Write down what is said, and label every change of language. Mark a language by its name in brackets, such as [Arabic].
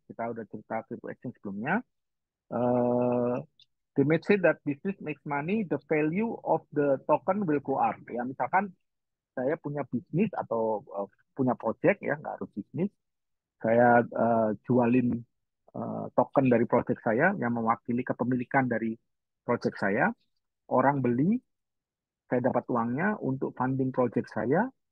[Indonesian] Kita udah cerita crypto exchange sebelumnya. [English] They may say that business makes money, the value of the token will go up. [Indonesian] Ya, misalkan saya punya bisnis atau punya project ya, nggak harus bisnis. Saya jualin token dari project saya yang mewakili kepemilikan dari project saya. Orang beli, saya dapat uangnya untuk funding project saya.